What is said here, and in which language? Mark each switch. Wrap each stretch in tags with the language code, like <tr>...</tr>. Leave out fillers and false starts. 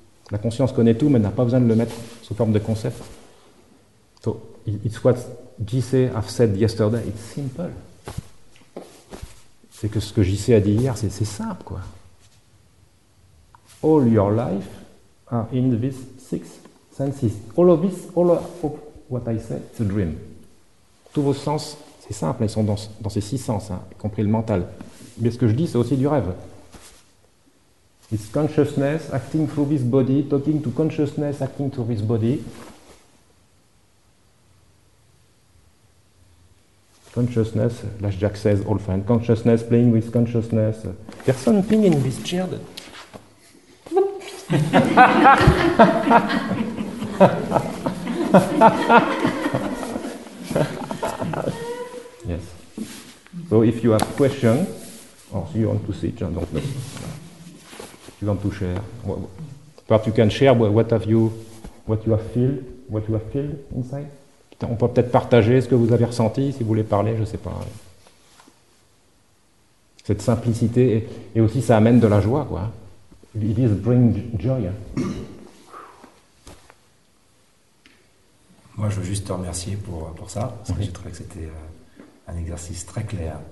<fr>La conscience connaît tout, mais n'a pas besoin de le mettre sous forme de concept.</fr> <en>So, it's what JC have said yesterday. It's simple.</en> <fr>C'est que ce que JC a dit hier, c'est simple, quoi.</fr> <en>All your life are in these six senses. All of what I say, it's a dream.</en> <fr>Tous vos sens, c'est simple, ils sont dans ces six sens, hein, y compris le mental. Mais ce que je dis, c'est aussi du rêve.</fr> <en>It's consciousness acting through this body, talking to consciousness acting through this body. Consciousness, as Jack says, all fine. Consciousness playing with consciousness. There's something in this chair that... Yes. So if you have questions, or you want to sit, I don't know. You want to share. Perhaps you can share what you have felt inside.</en> <fr>On peut peut-être partager ce que vous avez ressenti, si vous voulez parler, je ne sais pas. Cette simplicité, et aussi ça amène de la joie, quoi.</fr> <en>It is bring joy.</en> <fr>Moi, je veux juste te remercier pour ça, parce que j'ai trouvé que c'était un exercice très clair.</fr>